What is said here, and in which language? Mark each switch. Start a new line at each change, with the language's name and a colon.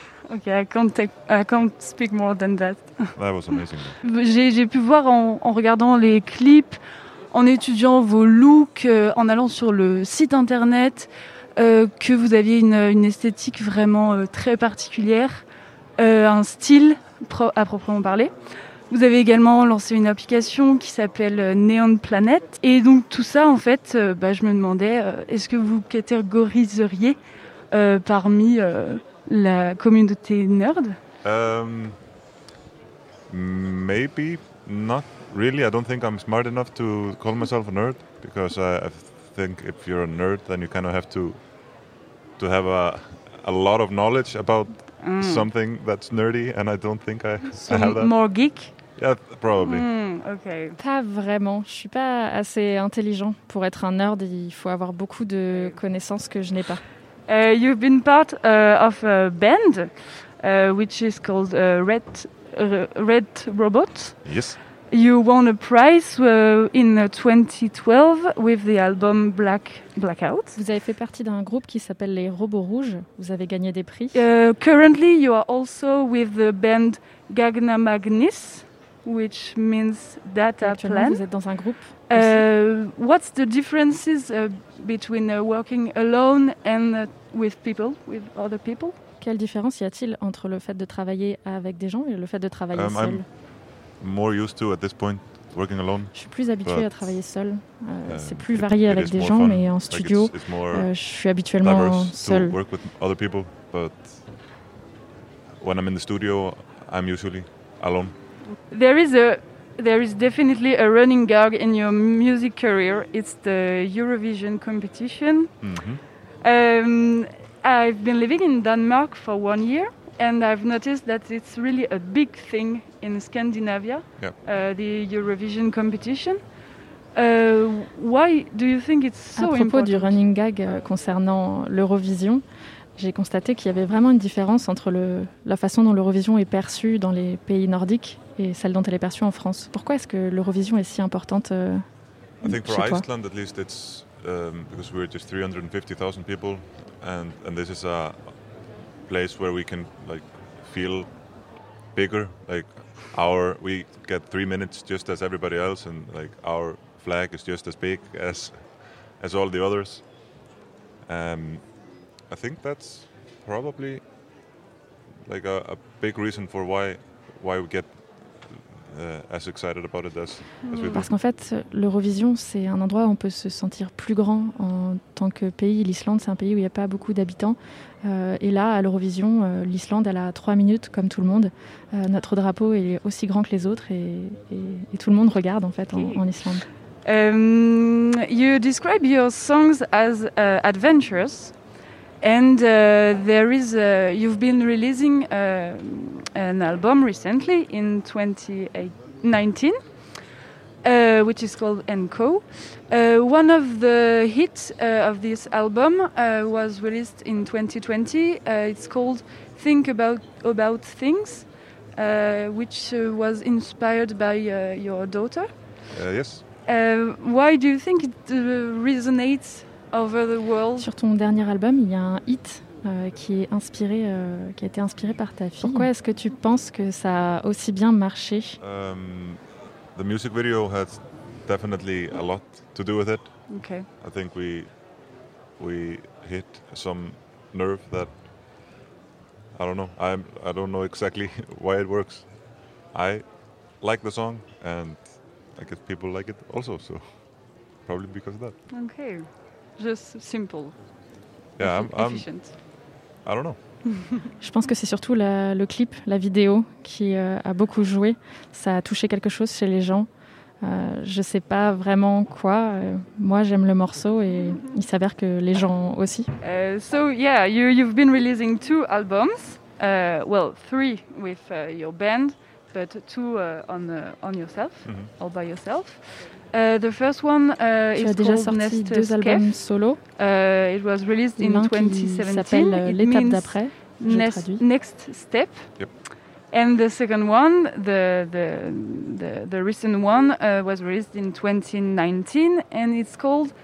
English: Okay, I can't speak more than that. That was amazing.
French: J'ai pu voir en regardant les clips, en étudiant vos looks, en allant sur le site internet, que vous aviez une esthétique vraiment très particulière, un style à proprement parler. Vous avez également lancé une application qui s'appelle Neon Planet. Et donc tout ça, en fait, je me demandais, est-ce que vous catégoriseriez parmi la communauté nerd?
English: Maybe not really. I don't think I'm smart enough to call myself a nerd, because I think if you're a nerd, then you kind of have to have a lot of knowledge about something that's nerdy, and I don't think I have that. More geek? Yeah, probably. Okay.
French: Pas vraiment. Je suis pas assez intelligent pour être un nerd. Il faut avoir beaucoup de connaissances que je n'ai pas.
English: You've been part of a band, which is called Red Robot. Yes. You won a prize in 2012 with the album Blackout.
French: Vous avez fait partie d'un groupe qui s'appelle les Robots Rouges. Vous avez gagné des prix.
English: Currently, you are also with the band Gagna Magnis, which means data plan.
French: Vous êtes dans un groupe.
English: What's the differences between working alone and with other people?
French: Quelle différence y a-t-il entre le fait de travailler avec des gens et le fait de travailler seul?
English: I'm more used to at this point working alone.
French: Je suis plus habitué à travailler seul. C'est plus varié avec des gens, mais en studio, je suis habituellement seul.
English: To work with other people, but when I'm in the studio, I'm usually alone. There is definitely a running gag in your music career. It's the Eurovision competition. Mm-hmm. I've been living in Denmark for 1 year, and I've noticed that it's really a big thing in Scandinavia, yeah. The Eurovision competition. Why do you think it's so important?
French: À propos du running gag concernant l'Eurovision, j'ai constaté qu'il y avait vraiment une différence entre la façon dont l'Eurovision est perçue dans les pays nordiques et celle dont elle est perçue en France. Pourquoi est-ce que l'Eurovision est si importante
English: I think for Iceland at least it's because we're just 350,000 people and this is a place where we can like feel bigger, like we get 3 minutes just as everybody else, and like our flag is just as big as all the others. I think that's probably like a big reason for why we get as excited about it as we do.
French: Parce qu'en fait, l'Eurovision, c'est un endroit où on peut se sentir plus grand en tant que pays. L'Islande, c'est un pays où il n'y a pas beaucoup d'habitants. Et là, à l'Eurovision, l'Islande, elle a 3 minutes, comme tout le monde. Notre drapeau est aussi grand que les autres et tout le monde regarde, en fait, en Islande.
English: You describe your songs as adventurous. And you've been releasing an album recently in 2019, which is called Enco. One of the hits of this album was released in 2020. It's called Think About Things, which was inspired by your daughter. Yes. Why do you think it resonates over the world?
French: Sur ton dernier album, il y a un hit qui est inspiré, qui a été inspiré par ta fille. Pourquoi est-ce que tu penses que ça a aussi bien marché?
English: The music video had definitely a lot to do with it. Okay. I think we hit some nerve that I don't know. I don't know exactly why it works. I like the song and I guess people like it also, so probably because of that. Okay. Just simple. Yeah, I'm efficient. I don't know.
French: Je pense que c'est surtout le clip, la vidéo, qui a beaucoup joué. Ça a touché quelque chose chez les gens. Je ne sais pas vraiment quoi. Moi, j'aime le morceau et il s'avère que les gens aussi.
English: So, yeah, you've been releasing two albums. Well, three with your band, but two on yourself, mm-hmm. all by yourself. The first one is called Nest Scape.
French: Tu as déjà sorti deux albums solo.
English: It was released in 2017.
French: L'étape d'après, je traduis.
English: Next Step. Yep. And the second one, the recent one, was released in 2019, and it's called